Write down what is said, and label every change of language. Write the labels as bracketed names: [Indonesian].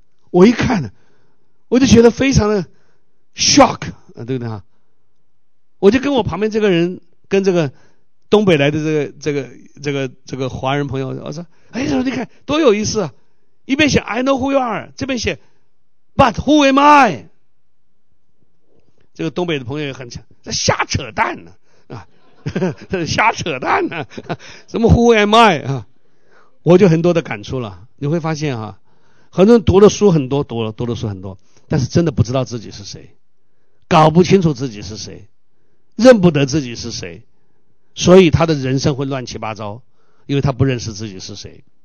[Chinese] 我一看我就觉得非常的 shock， 对不对？我就跟我旁边这个人，跟这个东北来的这个华人朋友，我说，哎，你看多有意思啊！一边写 [English] I know who you are， [Chinese] 这边写 [English] But who am I？ [Chinese] 这个东北的朋友也很强，这瞎扯淡呢 瞎扯淡呢，什么 [English] who am I [Chinese] 啊？我就很多的感触了。你会发现啊，很多人读的书很多，读的书很多，但是真的不知道自己是谁，搞不清楚自己是谁，认不得自己是谁，所以他的人生会乱七八糟，因为他不认识自己是谁。